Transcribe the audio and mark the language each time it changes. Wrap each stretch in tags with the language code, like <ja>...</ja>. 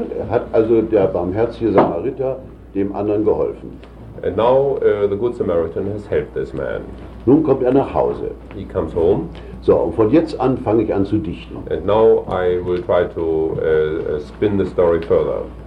<de>Hat also der barmherzige Samariter dem anderen geholfen.</de> <en>And now the good Samaritan has helped this man.</en> <de>Nun kommt er nach Hause.</de> <en>He comes home.</en> <de>So, und von jetzt an fange ich an zu dichten.</de> <en>And now I will try to spin the story further.</en>